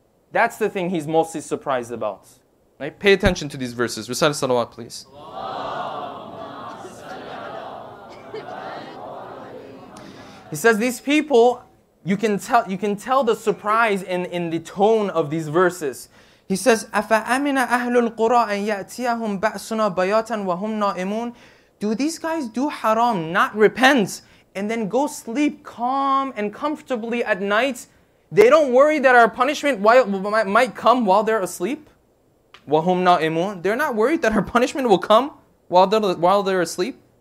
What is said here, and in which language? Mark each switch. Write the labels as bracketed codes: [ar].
[en] That's the thing He's mostly surprised about. Right? Pay attention to these verses. Recite the salawat, please. He says, these people, you can tell the surprise in the tone of these verses. He says, [ar] أَفَأَمِنَ أَهْلُ الْقُرَىٰ أَن يَأْتِيَهُمْ بَأْسُنَا بَيَاتًا وَهُمْ نَائِمُونَ. [en] Do these guys do haram, not repent, and then go sleep calm and comfortably at night? They don't worry that our punishment might come while they're asleep? [ar] وَهُمْ نَائِمُونَ. [en] They're not worried that our punishment will come while they're asleep?